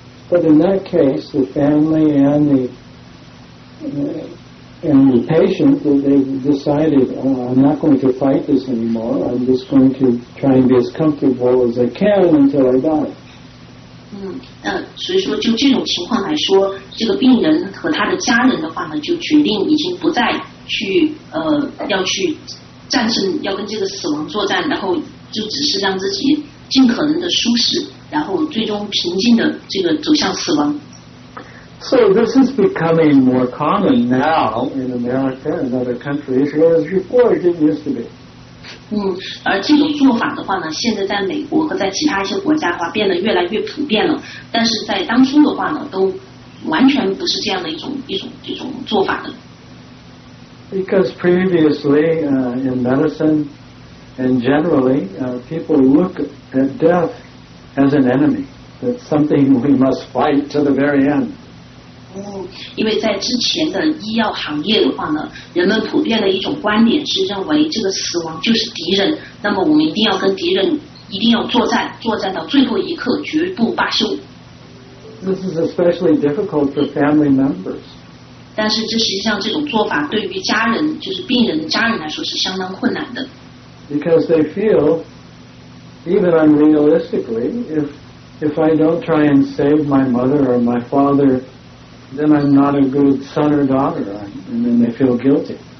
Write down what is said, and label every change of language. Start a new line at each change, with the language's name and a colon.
English: But in that case, the family and the patient, they decided, I'm not going to fight this anymore. I'm just going to try and be as comfortable as I can until I die.
Chinese: 所以说就这种情况来说，这个病人和他的家人的话呢，就决定已经不再去要去战胜，要跟这个死亡作战，然后就只是让自己尽可能的舒适，然后最终平静的这个走向死亡。
English: So this is becoming more common now in America and other countries, whereas before it didn't used to be.
Chinese: 而这种做法的话呢，现在在美国和在其他一些国家的话变得越来越普遍了，但是在当初的话呢都完全不是这样的一种做法的。
English: Because previously, in medicine and generally, people look at death as an enemy. That's something we must fight to the very end.
Chinese: 因为在之前的医药行业的话呢，人们普遍的一种观点是认为这个死亡就是敌人，那么我们一定要跟敌人一定要作战到最后一刻，绝不罢休。
English: This is especially difficult for family members.
Chinese: 但是这实际上这种做法对于家人，就是病人的家人来说是相当困难的。
English: Because they feel, even unrealistically, if I don't try and save my mother or my father, then I'm not a good son or daughter, and then they feel guilty.